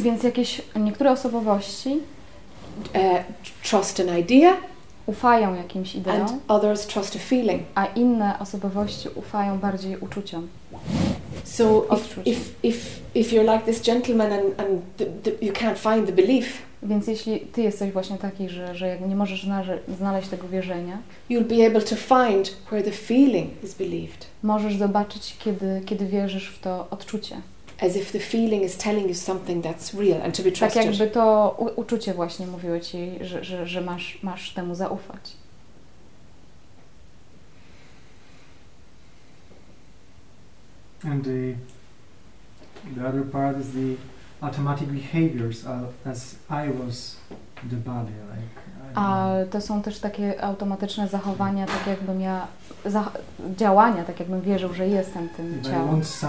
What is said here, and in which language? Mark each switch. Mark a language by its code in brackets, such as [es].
[pl] Więc jakieś niektóre osobowości. [en] Trust an idea. [pl] Ufają jakimś ideom, [en] and others trust a feeling. [pl] A inne osobowości ufają bardziej uczuciom. [en] So if you're like this gentleman and you can't find the belief, [pl] więc jeśli ty jesteś właśnie taki, że nie możesz znaleźć tego wierzenia, [en] you'll be able to find where the feeling is believed. [pl] Możesz zobaczyć kiedy wierzysz w to odczucie. [en] As if the feeling is telling you something that's real and to be trusted. [pl] Tak jakby to uczucie właśnie mówiło ci, że masz temu zaufać. [en] And the other part is the automatic behaviors as I was the body, like. [pl] A to są też takie automatyczne zachowania, tak jakbym ja działania, tak jakbym wierzył, że jestem tym ciałem.